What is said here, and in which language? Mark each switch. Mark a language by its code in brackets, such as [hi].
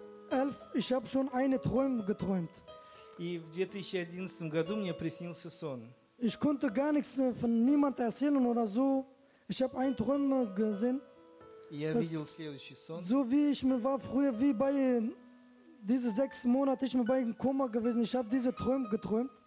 [de] 2011, ich habe schon eine Träume geträumt. [ru] И в 2011 году мне приснился сон. [de] Ich konnte gar nichts von niemand erzählen oder so. Ich habe einen Traum gesehen. [ru] Я видел следующий сон. [de] So wie ich mir war früher, wie bei diese sechs Monate, ich mir bei einem Koma gewesen. Ich habe diese Träume geträumt.